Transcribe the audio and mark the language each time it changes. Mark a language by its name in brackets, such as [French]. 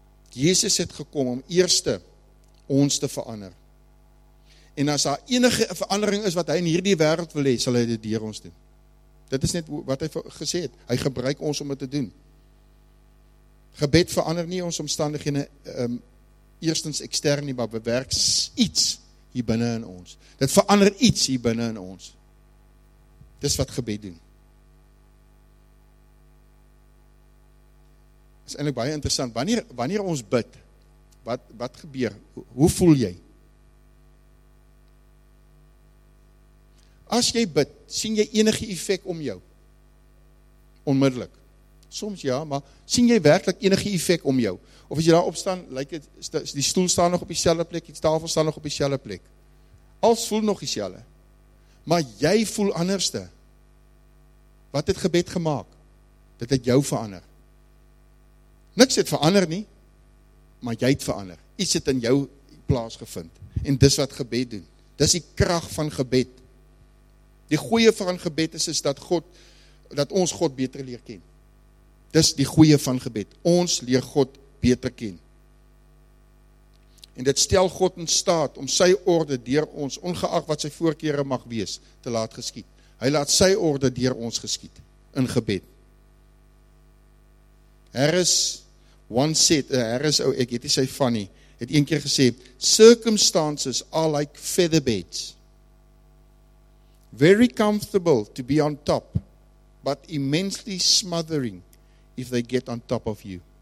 [Afrikaans] Jesus het gekom om eerste ons te verander. En as daar enige verandering is wat hy in hierdie wêreld wil hê, sal hy dit deur ons doen. Dit is net wat hy gesê het. Hy gebruik ons om dit te doen. Gebed verander nie ons omstandighede eerstens extern nie, maar bewerk iets hier binne in ons. Dit verander iets hier binne in ons. Dis wat gebed doen. Is eintlik baie interessant. Wanneer ons bid, wat gebeur? Hoe voel jy? As jy bid, sien jy enige effek om jou? Onmiddellik. Soms ja, maar sien jy werklik enige effek om jou? Of as jy daar opstaan, lyk dit die stoel staan nog op dieselfde plek, die tafel staan nog op dieselfde plek. Als voel nog dieselfde. Maar jy voel anderste. Wat het gebed gemaak? Dit het jou verander. Niks het verander nie, maar jy het verander. Iets het in jou plaas gevind. En dis wat gebed doen. Dis die krag van gebed. Die goeie van gebed is dat God, dat ons God beter leer ken. Dis die goeie van gebed. Ons leer God beter ken. En dit stel God in staat om sy orde deur ons, ongeag wat sy voorkeure mag wees, te laat geskied. Hy laat sy orde deur ons geskied, in gebed. [English] Harris once said, Harris, oh, [Afrikaans] ek het nie sy van nie, het een keer gesê, [English] circumstances are like feather beds. Very comfortable to be on top, but immensely smothering if they get on top of you.